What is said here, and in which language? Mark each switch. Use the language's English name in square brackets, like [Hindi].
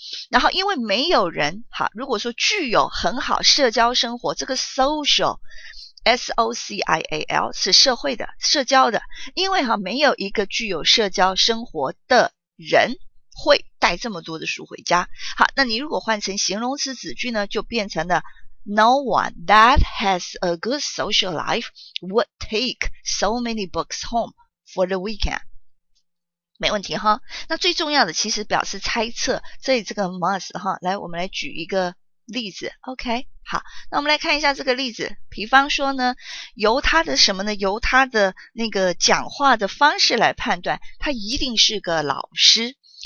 [Chinese] 然后因为没有人，好，如果说具有很好社交生活，这个 social S-O-C-I-A-L 是社会的，社交的，因为哈没有一个具有社交生活的人会带这么多的书回家。 [English] 好，那你如果换成形容词子句呢，就变成了 No one that has a good social life would take so many books home for the weekend。 [Chinese] 没问题哈。那最重要的其实表示猜测，所以这个 must 哈，来我们来举一个例子 ,OK, 好，那我们来看一下这个例子。比方说呢，由他的什么呢，由他的那个讲话的方式来判断，他一定是个老师。